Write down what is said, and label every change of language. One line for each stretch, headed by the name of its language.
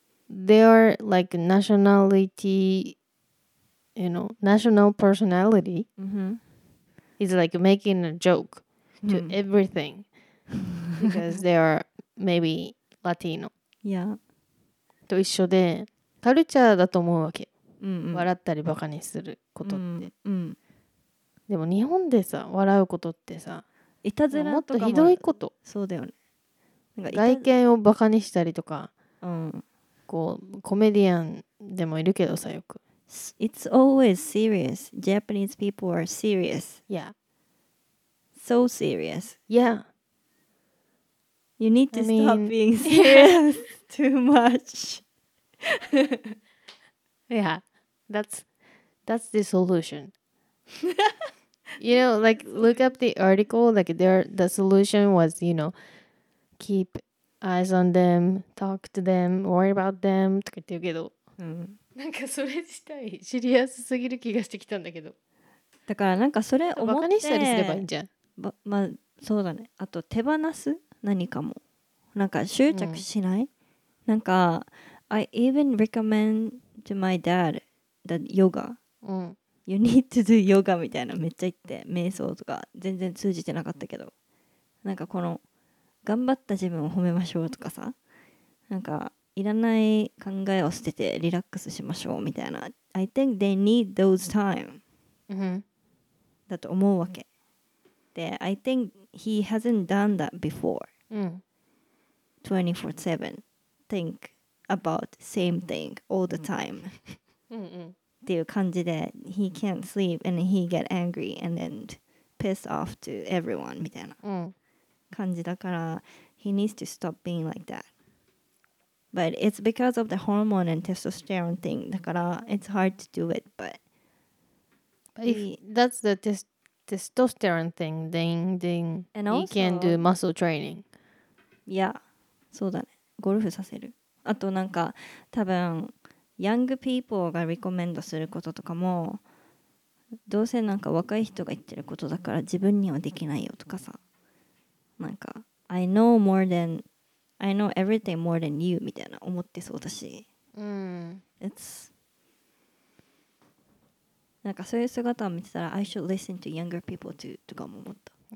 English: They are like nationality, you know, national personality、 mm-hmm. is like making a joke、mm. to everything because they are maybe Latino. Yeah.
Japanese: と一緒で、カルチャーだと思うわけ。笑ったりバカにすることって。でも日本でさ、笑うことってさ、いたずらとかもっとひどいこと。そうだよね。なんか外見をバカにしたりとか。うん。こうコメディアンでもいるけどさ、よく
English: It's always serious. Japanese people are serious. Yeah. So serious. Yeah. You need to stop being serious too much. Yeah. That's the solution. You know, like look up the article, like the solution was, you know, keepeyes on them, talk to them, worry about them
Japanese: とか言ってるけど、うん、なんかそれ自体シリアスすぎる気がしてきたんだけど。だからなんかそれ思ってバカにしたりすればいいんじゃん。まあそうだね。あと手放す何かもなんか執着しない、うん、なんか
English: I even recommend to my dad that yoga、
Japanese: うん、
English: you need to do yoga
Japanese: みたいなめっちゃ言って、瞑想とか全然通じてなかったけど、なんかこの頑張った自分を褒めましょうとかさ、なんかいらない考えを捨ててリラックスしましょうみたいな。
English: I think they need those time、 mm-hmm.
Japanese: だと思うわけ、mm-hmm.
English: で I think he hasn't done that before、 mm-hmm. 24/7 think about same thing all the time、 mm-hmm.
Japanese: っていう感じで
English: He can't sleep and he get angry and then piss off to everyone
Japanese: みたいな、 mm-hmm. 感じだから
English: he needs to stop being like that. But it's because of the hormone and testosterone thing.
Japanese: だから
English: it's hard to do it. But if that's the testosterone thing, then and also, he can do muscle training.
Japanese: Yeah, そうだね。ゴルフさせる。あとなんか多分 young people が recommend することとかもどうせなんか若い人が言ってることだから自分にはできないよとかさ。なんか
English: I know everything more than you
Japanese: みたいな思ってそうだし、なんかそういう姿を見てたら
English: I should listen to younger people too
Japanese: とかも思った。